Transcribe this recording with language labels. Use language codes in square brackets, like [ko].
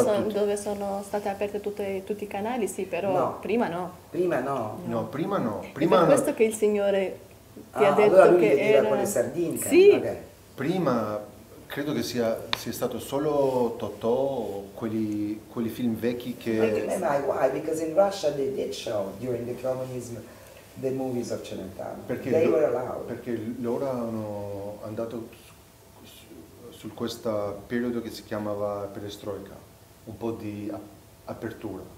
[it] sono, dove sono state aperte tutti i canali, sì, però no. Prima no. Prima no. No, prima no. Prima è per no. Questo che il signore ti ah, ha detto allora che era... con le sardine. Sì. Okay. Prima credo che sia stato solo Totò o quelli film vecchi che... [en] Ma why? Because in Russia they did show during the communism. The movies of Celentano. [it] Perché [en] they were allowed. [it] Perché loro hanno andato su questo periodo che si chiamava perestroica, un po' di apertura.